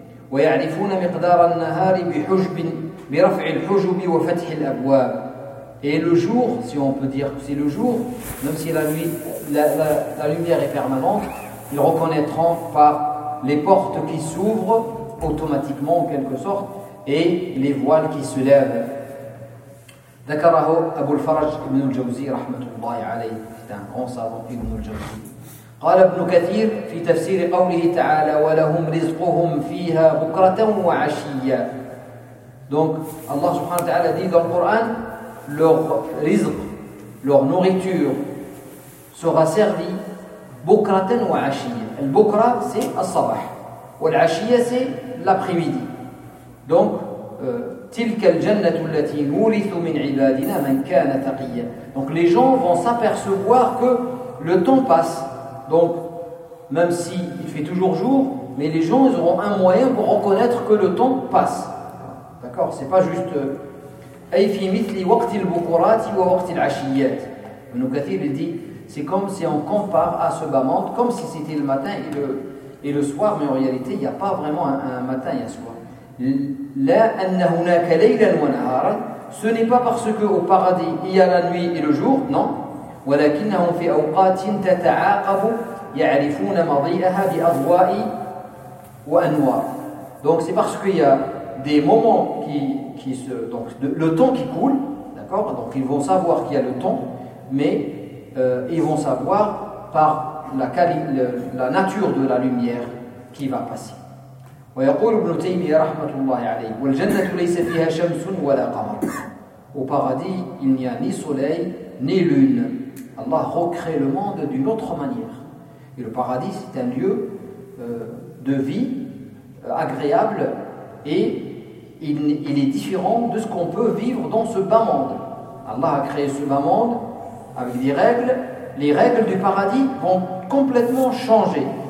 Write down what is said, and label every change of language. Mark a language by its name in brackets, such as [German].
[Arabic] وَيَعْرِفُونَ مِقْدَارَ النَّهَارِ بِحُجْبٍ بِرَفْعِ الْحُجُبِ وَفَتْحِ الْأَبْوَابِ. [French] Et le jour, si on peut dire que c'est le jour, même si la nuit, la lumière est permanente, ils reconnaîtront par les portes qui s'ouvrent automatiquement en quelque sorte et les voiles qui se lèvent. [Arabic] ذكره أبو الفرج ابن الجوزي رحمة الله عليه، [French] c'est un grand savant [Arabic] ابن الجوزي. قال ابن كثير في تفسير قوله تعالى ولهم رزقهم فيها بكرة وعشية. [French] Donc Allah سبحانه وتعالى dit dans le Coran leur rizq, leur nourriture sera servie [Arabic] بكرة وعشية. [French] البكرة c'est الصباح والعشية c'est l'après-midi. [Arabic] Donc تلك الجنة التي نورث من عبادنا من كان تقيا. [French] Donc les gens vont s'apercevoir que le temps passe. Donc même si il fait toujours jour, mais les gens ils auront un moyen pour reconnaître que le temps passe. D'accord, c'est pas juste. [Arabic] أي في مثل وقت البكرات ووقت العشيات. [French] Ibn Kathir dit c'est comme si on compare à ce bas monde comme si c'était le matin et le soir, mais en réalité il n'y a pas vraiment un matin et un soir. [Arabic] لا أن هناك ليلا ونهارا. [French] Ce n'est pas parce que au paradis il y a la nuit et le jour, non. [Arabic] ولكنهم في أوقات تتعاقب يعرفون مضيئها بأضواء وأنوار. [French] Donc c'est parce qu'il y a des moments qui se, donc le temps qui coule, d'accord. Donc ils vont savoir qu'il y a le temps, mais ils vont savoir par la nature de la lumière qui va passer. [Arabic] ويقول ابن تيمية رحمة الله عليه والجنة ليس فيها شمس ولا قمر. [French] Au paradis, il n'y a ni soleil ni lune. Allah recrée le monde d'une autre manière. Et le paradis, c'est un lieu de vie agréable et il est différent de ce qu'on peut vivre dans ce bas monde. Allah a créé ce bas monde avec des règles. Les règles du paradis vont complètement changer.